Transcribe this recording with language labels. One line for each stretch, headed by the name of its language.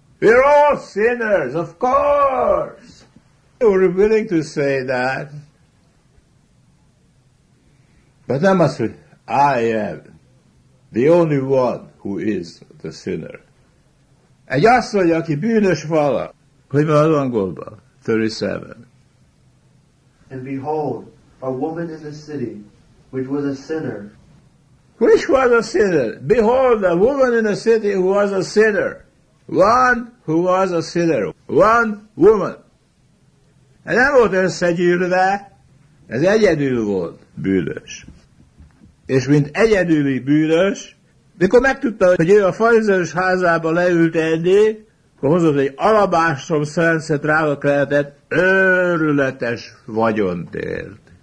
English: We're all sinners, of course. We're willing to say that. But
Hungarian: nem az, hogy
English: I am the only one who is the sinner.
Hungarian: Egy asszony, aki bűnös vala. Hogy van az angolban? 37.
English: And behold, a woman in the city, which was a sinner. Which was a sinner? Behold, a woman in the city who was a sinner. One who was a sinner. One woman.
Hungarian: Ez nem volt összegyűrve, ez egyedül volt bűnös. És mint egyedüli bűnös, mikor megtudta, hogy ő a farizeus házába leült enni, akkor hozott egy alabástrom szelence drága keretet, őrületes vagyont ért.